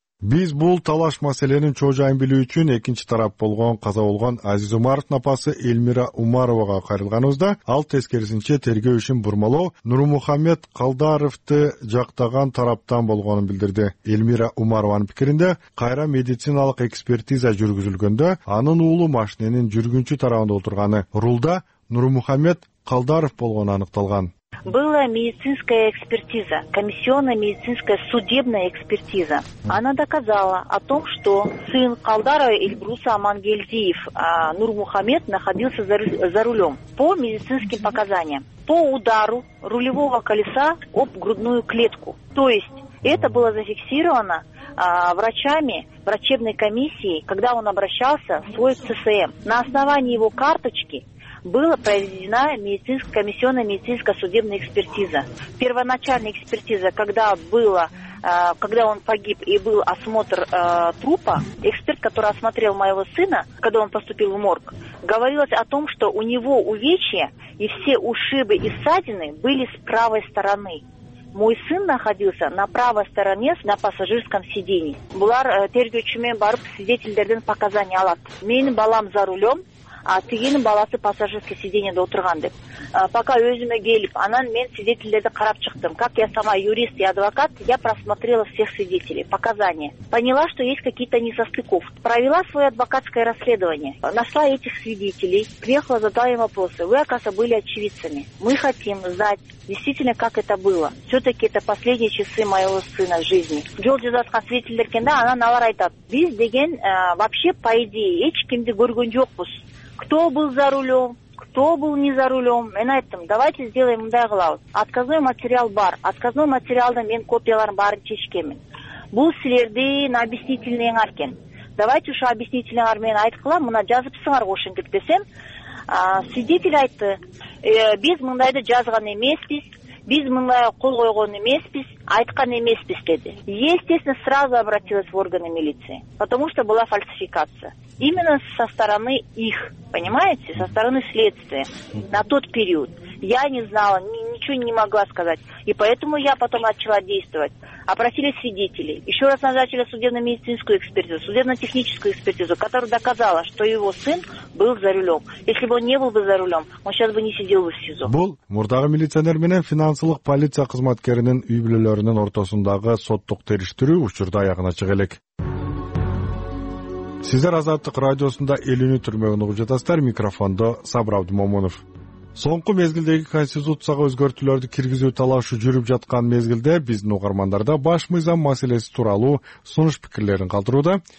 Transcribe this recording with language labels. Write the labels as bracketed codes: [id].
[ky] Биз бул талаш маселенин чоо жайын билүү үчүн экинчи тарап болгон каза болгон Азиз Умаровдун апасы Элмира Умарова кайрылганыбызда, ал тескерисинче тергөө ишин бурмалоо Нурмухамед Калдаровду жактаган тараптан болгонун билдирди. Элмира Умарованын пикиринде кайра медициналык экспертиза жүргүзүлгөндө анын уулу машиненин жүргүнчү тарабында отурганы, рулда Нурмухамед Калдаров болгону аныкталган. [ru] Была медицинская экспертиза, комиссионная медицинская судебная экспертиза. Она доказала о том, что сын Калдарова Эльбруса Амангельдиев, Нурмухамед, находился за рулем по медицинским показаниям. По удару рулевого колеса об грудную клетку. То есть это было зафиксировано врачами, врачебной комиссией, когда он обращался в свой ЦСМ. На основании его карточки была проведена комиссионная медицинская судебная экспертиза. Первоначальная экспертиза, когда он погиб и был осмотр трупа, эксперт, который осмотрел моего сына, когда он поступил в морг, говорилось о том, что у него увечья и все ушибы и ссадины были с правой стороны. Мой сын находился на правой стороне на пассажирском сиденье. [ky] Булар тергөөчү менен барып свидетелдерден показания алат. Мен балам [ru] за рулем, [ky] а тигинин баласы пассажирский сиденьеде отурган деп. [ru] Пока [ky] өзүмө келип, анан мен свидетелдерди карап чыктым. [ru] Как я сама юрист и адвокат, я просмотрела всех свидетелей, показания. Поняла, что есть какие-то несостыковки. Провела свое адвокатское расследование. Нашла этих свидетелей, приехала, задала им вопросы. Вы, оказывается, были очевидцами. Мы хотим знать, действительно, как это было. Все-таки это последние часы моего сына в жизни. [ky] Жолжизаткан свидетелдеркен да, анан алар айтат. Биз деген [ru] вообще, по идее, [ky] эч кимди көргөн жокпуз. [ru] Кто был за рулем, кто был не за рулем. [ky] Мен айттым, [ru] давайте сделаем [ky] мындай кылабыз. Отказной материал бар. Отказной материалдын мен копияларын баарын чечкенмин. Бул силердин объяснительныйыңар экен. Давайте ушу объяснительныйыңар менен айткыла, мына жазыпсыңар кошуңдуп десем, свидетель айтты, биз мындайды жазган эмеспиз. Биз мындай кол койгон эмеспиз, айткан эмеспиз деди. [ru] Естественно, сразу обратилась в органы милиции, потому что была фальсификация. Именно со стороны их, понимаете, со стороны следствия на тот период. Я не знала, ничего не могла сказать. И поэтому я потом начала действовать. Опросили свидетелей. Еще раз назначили судебно-медицинскую экспертизу, судебно-техническую экспертизу, которая доказала, что его сын был за рулем. Если бы он не был бы за рулем, он сейчас бы не сидел бы в СИЗО. [ky] Бул мурдагы милиционер менен финансылык полиция кызматкеринин үй-бүлөлөрүнүн ортосундагы соттук териштирүү учурда аягына чыга элек. Сиздер Азаттык радиосунда элүүнү түрмөгүн угуп жатасыздар. Микрофондо Сабыр Абдымомунов. Соңку мезгилдеги конституцияга өзгөртүүлөрдү киргизүү талашы жүрүп жаткан мезгилде биздин угармандарда баш мыйзам маселеси тууралуу сунуш пикирлерин калтырууда.